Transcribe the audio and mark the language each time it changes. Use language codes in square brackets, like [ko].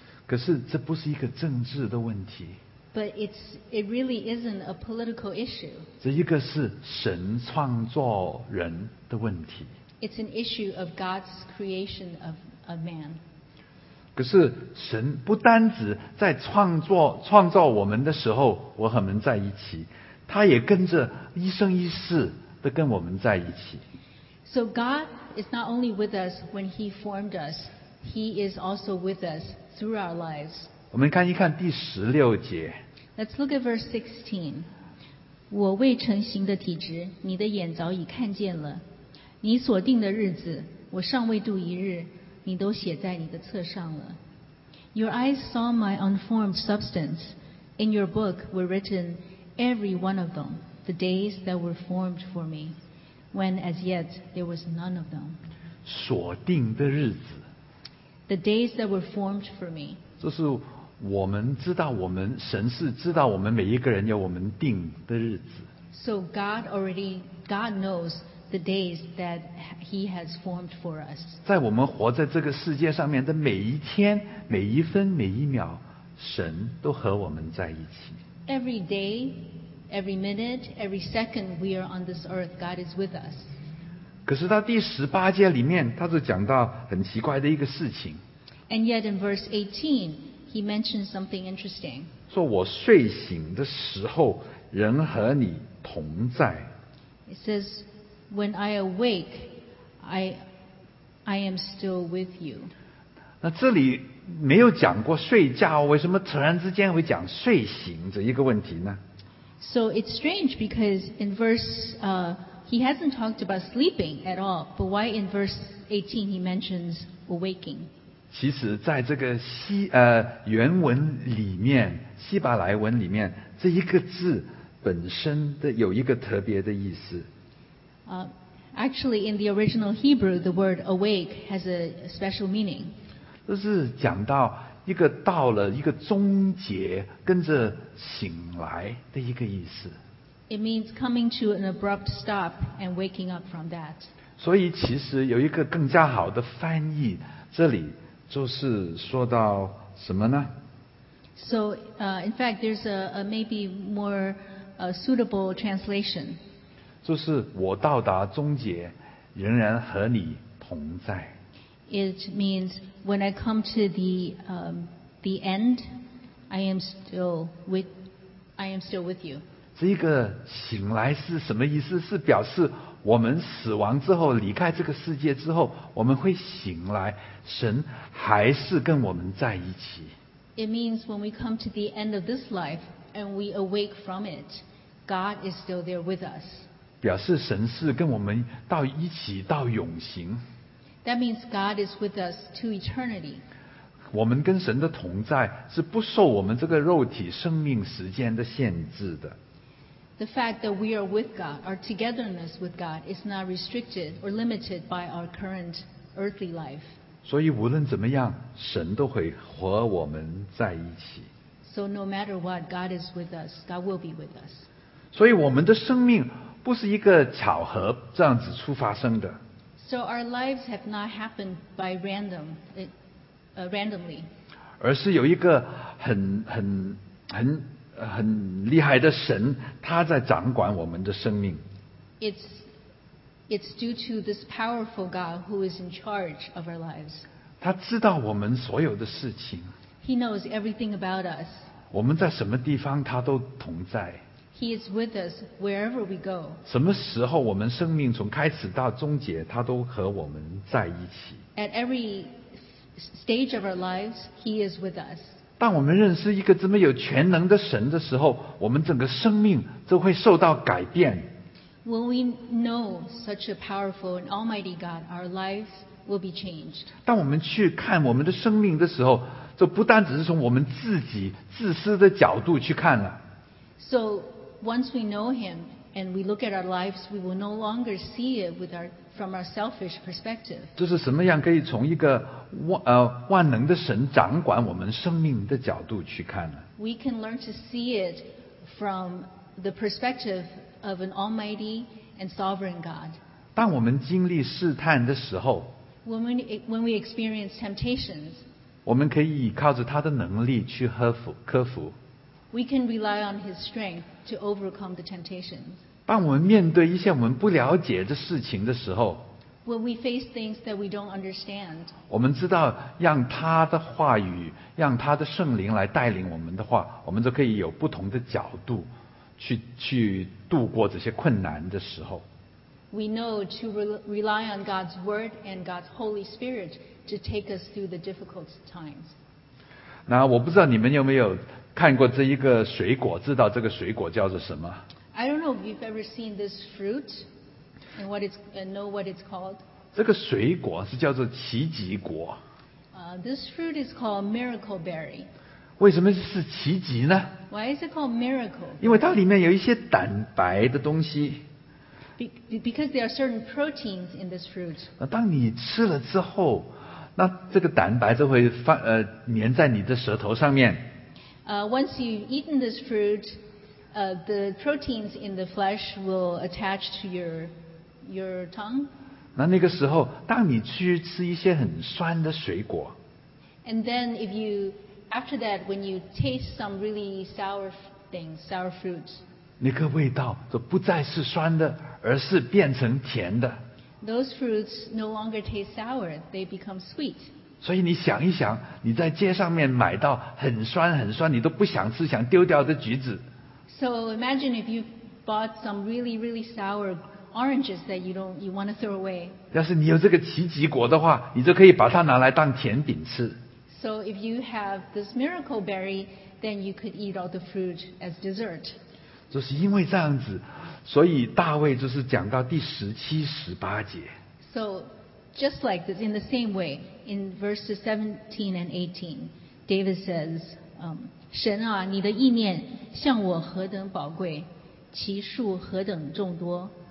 [zh] 可是这不是一个政治的问题。 [en] But it really isn't a political issue. [zh] 这一个是神创造人的问题。 [en] It's an issue of God's creation of a man. [zh] 可是神不单只在创造我们的时候我和我们在一起，他也跟着一生一世的跟我们在一起。 [en] So God is not only with us when He formed us, He is also with us through our lives. [zh] 我们看一看第十六节。 [en] Let's look at verse 16. [zh] 我未成形的体质，你的眼早已看见了；你所定的日子，我尚未度一日。你都写在你的册上了。 [en] Your eyes saw my unformed substance. In your book were written every one of them, the days that were formed for me, when as yet there was none of them. [zh] 锁定的日子。 [en] The days that were formed for me. [zh] 就是我们知道我们神是知道我们每一个人有我们定的日子。 [en] So God knows. The days that He has formed for us. [zh] 在我们活在这个世界上面的每一天、每一分、每一秒，神都和我们在一起。 [en] Every day, every minute, every second we are on this earth, God is with us. [zh] 可是到第十八节里面，他就讲到很奇怪的一个事情。 [en] And yet in verse 18, He mentions something interesting. [zh] 说我睡醒的时候，仍和你同在。 [en] It says. When I awake, I am still with you. [zh] 那这里没有讲过睡觉，为什么突然之间会讲睡醒这一个问题呢？ [en] So it's strange because in verse, he hasn't talked about sleeping at all, but why in verse 18 he mentions awaking? [zh] 其实在这个原文里面，希伯来文里面，这一个字本身的有一个特别的意思。 [en] Actually, in the original Hebrew, the word awake has a special meaning. [zh] 这是讲到一个到了一个终结，跟着醒来的一个意思。 [en] It means coming to an abrupt stop and waking up from that. [zh] 所以其实有一个更加好的翻译，这里就是说到什么呢？ [en] So, in fact, there's a maybe more suitable translation. [zh] 就是我到达终结，仍然和你同在。 [en] It means when I come to the end, I am still with you. [zh] 这个醒来是什么意思？是表示我们死亡之后，离开这个世界之后，我们会醒来，神还是跟我们在一起。 [en] It means when we come to the end of this life and we awake from it, God is still there with us. [zh] 表示神是跟我们到一起到永行。 [en] That means God is with us to eternity. [zh] 我们跟神的同在是不受我们这个肉体生命时间的限制的。 [en] The fact that we are with God, our togetherness with God, is not restricted or limited by our current earthly life. [zh] 所以无论怎么样，神都会和我们在一起。 [en] So no matter what, God is with us. God will be with us. [zh] 所以我们的生命不是一个巧合这样子出发生的。 [en] So our lives have not happened by random, randomly. [zh] 而是有一个很厉害的神，他在掌管我们的生命。 [en] It's due to this powerful God who is in charge of our lives. [zh] 他知道我们所有的事情。 [en] He knows everything about us. [zh] 我们在什么地方，他都同在。 [en] He is with us wherever we go. [zh] 什么时候我们生命从开始到终结，他都和我们在一起。 [en] At every stage of our lives, He is with us. [zh] 当我们认识一个这么有全能的神的时候，我们整个生命就会受到改变。 [en] When we know such a powerful and almighty God, our lives will be changed. [zh] 当我们去看我们的生命的时候，就不单只是从我们自己自私的角度去看了。 [en] So once we know Him and we look at our lives, we will no longer see it with our from our selfish perspective. [zh] 这是什么样可以从一个万能的神掌管我们生命的角度去看呢？ [en] We can learn to see it from the perspective of an almighty and sovereign God. [zh] 当我们经历试探的时候， [en] When we experience temptations, [zh] 我们可以靠着他的能力去克服。 [en] We can rely on his strength to overcome the temptations. [zh] 当我们面对一些我们不了解的事情的时候， [en] When we face things that we don't understand, [zh] 我们知道让他的话语，让他的圣灵来带领我们的话，我们就可以有不同的角度 去度过这些困难的时候。 [en] We know to rely on God's word and God's Holy Spirit to take us through the difficult times. [zh] 那我不知道你们有没有看过这一个水果，知道这个水果叫做什么。 [en] I don't know if you've ever seen this fruit and know what it's called. [zh] 这个水果是叫做奇迹果。 [en] This fruit is called miracle berry. [zh] 为什么是奇迹呢？ [en] Why is it called miracle? [zh] 因为它里面有一些蛋白的东西。 [en] Because there are certain proteins in this fruit. [zh] 当你吃了之后，那这个蛋白就会粘在你的舌头上面。 [en] Once you've eaten this fruit,the proteins in the flesh will attach to your tongue. [zh] 那个时候，当你去吃一些很酸的水果， [en] and then if you after that when you taste some really sour things, sour fruits, [zh] 那个味道就不再是酸的，而是变成甜的。 [en] Those fruits no longer taste sour; they become sweet. [zh] 所以你想一想，你在街上面买到很酸很酸，你都不想吃，想丢掉的橘子。 [en] So imagine if you bought some really, really sour oranges that you want to throw away. [zh] 要是你有这个奇迹果的话，你就可以把它拿来当甜饼吃。 [en] So if you have this miracle berry, then you could eat all the fruit as dessert. [zh] 就是因为这样子，所以大卫就是讲到第十七、十八节。 [en] So just like this, in the same way, in verses 17 and 18, David says, [zh] 神啊，你的意念向我何等宝贵，其数何等众多。